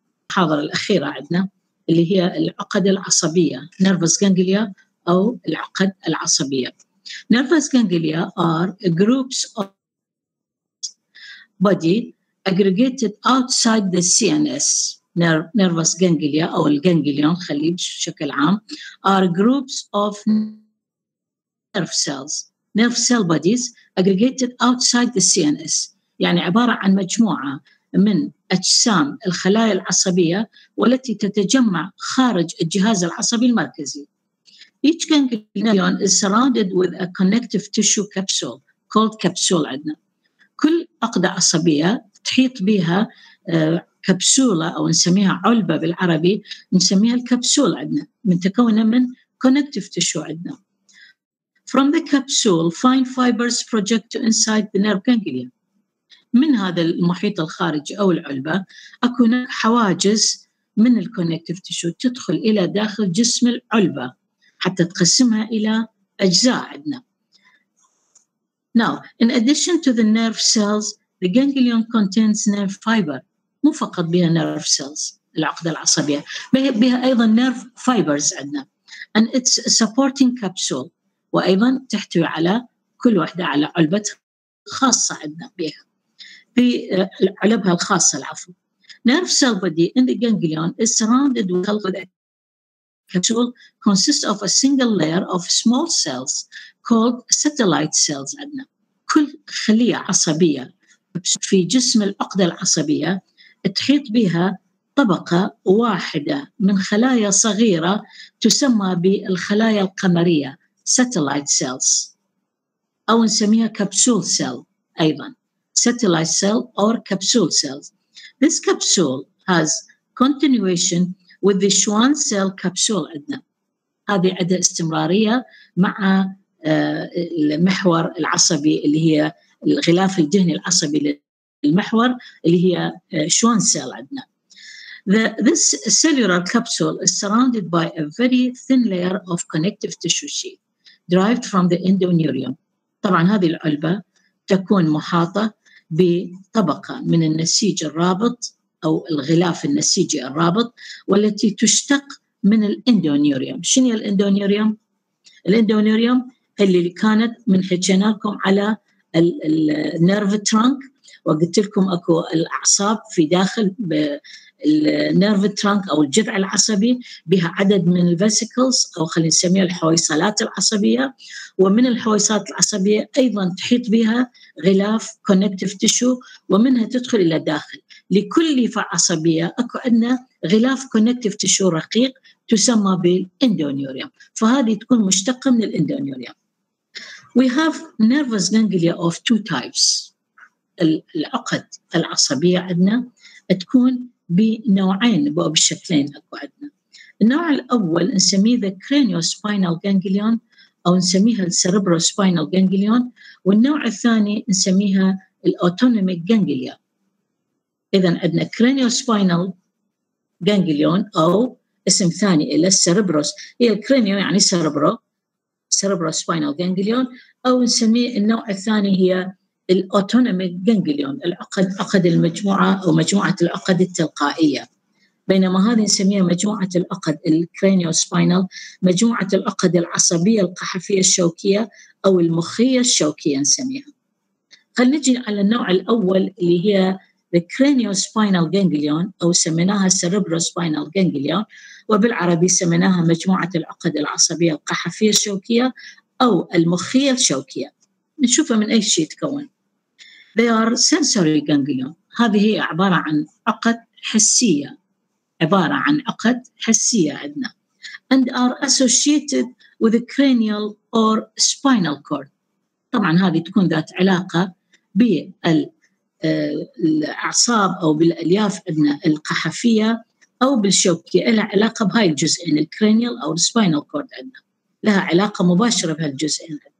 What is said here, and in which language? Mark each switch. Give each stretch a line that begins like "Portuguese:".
Arabic: المحاضرة الأخيرة عندنا اللي هي العقد العصبية nervous ganglia أو العقد العصبية.
English: Nervous ganglia are groups of body aggregated outside the CNS. Nervous ganglia أو الganglion
Arabic: خليه بشكل عام
English: are groups of nerve cells. Nerve cell bodies aggregated outside the CNS.
Arabic: يعني عبارة عن مجموعة من أجسام الخلايا العصبية والتي تتجمع خارج الجهاز العصبي المركزي.
English: Each ganglion is surrounded with a connective tissue capsule called capsule عندنا.
Arabic: كل عقدة عصبية تحيط بها كبسولة أو نسميها علبة بالعربي نسميها الكبسول عندنا. متكونة من connective tissue عندنا.
English: From the capsule, fine fibers project to inside the nerve ganglia.
Arabic: من هذا المحيط الخارجي أو العلبة أكون حواجز من الكونكتيف تيشو تدخل إلى داخل جسم العلبة حتى تقسمها إلى أجزاء عندنا.
English: Now, in addition to the nerve cells, the ganglion contains nerve fiber.
Arabic: مو فقط بها nerve cells العقدة العصبية بها أيضا nerve fibers عندنا.
English: And it's a supporting capsule.
Arabic: وأيضا تحتوي على كل واحدة على علبة خاصة عندنا بها. في علبها الخاصة العفو.
English: Nerve cell body in the ganglion is surrounded with a capsule consists of a single layer of small cells called satellite cells.
Arabic: عندنا كل خلية عصبية في جسم العقدة العصبية تحيط بها طبقة واحدة من خلايا صغيرة تسمى بالخلايا القمرية satellite cells أو نسميها capsule cell أيضا.
English: Satellite cell or capsule cells. This capsule has continuation with the Schwann cell capsule.
Arabic: عندنا هذه عدة استمرارية مع المحور العصبي اللي هي الغلاف الدهني العصبي للمحور اللي هي Schwann cell.
English: عندنا this cellular capsule is surrounded by a very thin layer of connective tissue sheath derived from the endoneurium.
Arabic: طبعا هذه العلبة تكون محاطة بطبقة من النسيج الرابط أو الغلاف النسيجي الرابط والتي تشتق من الإندونيوريوم. شنو الإندونيوريوم؟ الإندونيوريوم اللي كانت من حكينا لكم على النيرف ترانك وقلت لكم أكو الأعصاب في داخل النيرف ترانك أو الجذع العصبي بها عدد من الفيسيكلز أو خلينا نسميها الحويصلات العصبية ومن الحويصلات العصبية أيضا تحيط بها غلاف connective tissue ومنها تدخل إلى الداخل. لكل ليفة عصبية أكو عندنا غلاف connective tissue رقيق تسمى بالإندونيوريوم فهذه تكون مشتقة من الإندونيوريوم.
English: We have nervous ganglia of two types.
Arabic: العقد العصبية عندنا تكون بنوعين بشكلين أكو عندنا. النوع الأول نسميه the craniospinal ganglion أو نسميها cerebrospinal ganglion والنوع الثاني نسميها autonomic ganglia. إذا عندنا craniospinal ganglion أو اسم ثاني إلى cerebros هي الكرانيو يعني cerebro cerebrospinal ganglion أو نسميه النوع الثاني هي الأوتونوميك جانجليون العقد المجموعة أو مجموعة العقد التلقائية بينما هذه نسميها مجموعة العقد الكرانيو سباينال مجموعة العقد العصبية القحفية الشوكية أو المخية الشوكية نسميها. خلينا نجي على النوع الأول اللي هي الكرانيو سباينال جانجليون أو سميناها سيريبرو سباينال جانجليون وبالعربي سميناها مجموعة العقد العصبية القحفية الشوكية أو المخية الشوكية. نشوفها من أي شيء تكون.
English: They are sensory ganglion.
Arabic: هذه هي عبارة عن عقد حسية. عبارة عن عقد حسية عندنا.
English: And are associated with the cranial or spinal cord.
Arabic: طبعا هذه تكون ذات علاقة بالأعصاب أو بالألياف عندنا القحفية أو بالشوكية. لها علاقة بهاي الجزئين. الكرانيال أو spinal cord عندنا. لها علاقة مباشرة بهالجزئين.